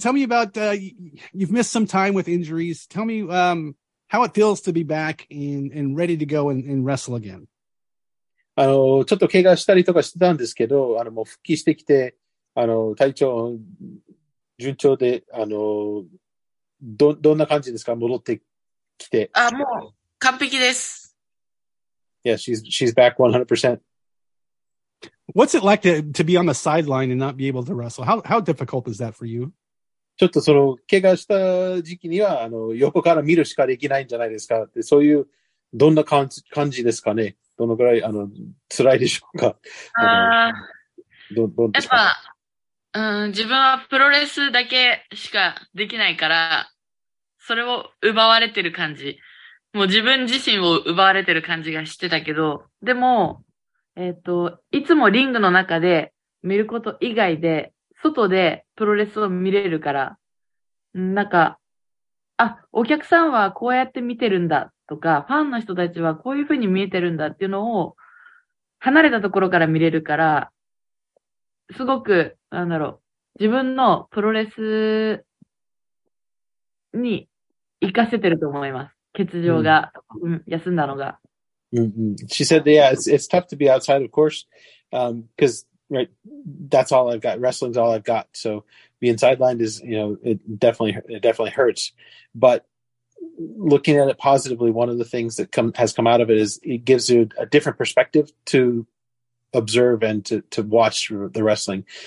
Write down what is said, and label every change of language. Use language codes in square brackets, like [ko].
[en] Tell me about, you've missed some time with injuries. Tell me, how it feels to be back and ready to go and wrestle again. [ja] ちょっと怪我したりとかしてたんですけど、もう復帰してきて、体調順調で、どんな感じですか？戻ってきて。あ、もう。完璧です。 [en] Yeah, she's back 100%. What's it like to be on the sideline and not be able to wrestle? How difficult is that for you? [ja] ちょっとその怪我した時期には横から見るしかできないんじゃないですかって、そういうどんな感じですかね、どのぐらい辛いでしょうか。やっぱ、自分はプロレスだけしかできないから、それを奪われてる感じ。もう自分自身を奪われてる感じがしてたけど、でも、いつもリングの中で見ること以外で、外でプロレスを見れるから、なんか、あ、お客さんはこうやって見てるんだとか、ファンの人たちはこういう風に見えてるんだっていうのを、離れたところから見れるから、すごく、なんだろう、自分のプロレスに活かせてると思います。欠場が、休んだのが。 [en] She said, yeah, it's tough to be outside, of course, because, right, that's all I've got. Wrestling's all I've got. So being sidelined is, you know, it definitely hurts. But looking at it positively, one of the things that has come out of it is it gives you a different perspective to observe and to watch the wrestling.